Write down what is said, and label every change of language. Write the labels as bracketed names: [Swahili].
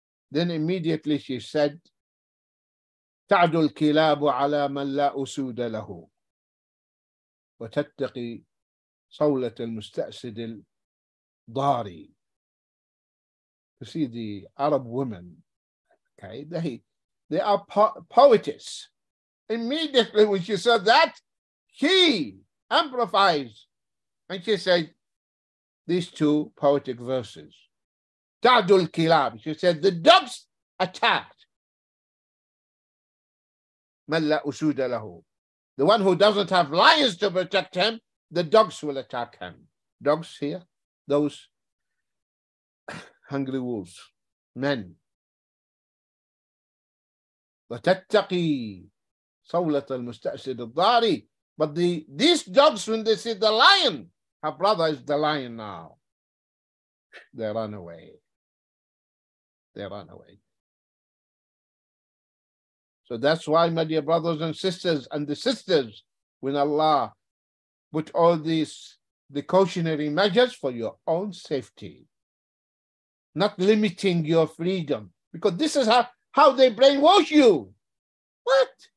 [Arabic] Then immediately she said, تَعْدُ الْكِلَابُ عَلَى مَنْ لَا أُسُودَ لَهُ وَتَتَّقِي صَوْلَةَ الْمُسْتَأْسِدِ الْضَارِ. [English] You see, the Arab women, okay, they are poetess. Immediately when she said that, she amplifies, and she said these two poetic verses. Ta'dul kilab, she said, the dogs attacked. Man la usuda lahu, the one who doesn't have lions to protect him, the dogs will attack him. Dogs here, those hungry wolves, men. [Arabic] وتتقي صولة المستأسد الضاري. [English] But these dogs, when they see the lion, her brother is the lion now, they run away. They run away. So that's why, my dear brothers and sisters, and the sisters, when Allah put all these precautionary measures for your own safety, not limiting your freedom, because this is how they brainwash you. What?